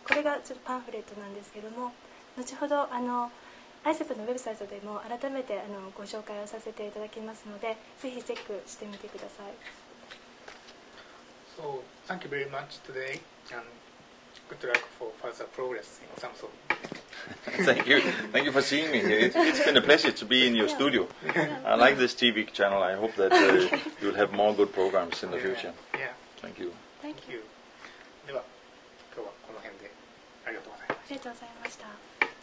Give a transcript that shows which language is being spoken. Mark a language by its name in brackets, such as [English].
[Japanese] これがちょっとパンフレットなんですけども、後ほどISEP のウェブサイトでも改めてご紹介をさせていただきますので、ぜひチェックしてみてください。 [English] So thank you very much today and good luck for further progress in Samsø. Thank you for seeing me. It's been a pleasure to be in your studio. I like this TV channel. I hope that you'll have more good programs in the future. Thank you. Thank you. [Japanese] では、今日はこの辺で。ありがとうございました。ありがとうございました。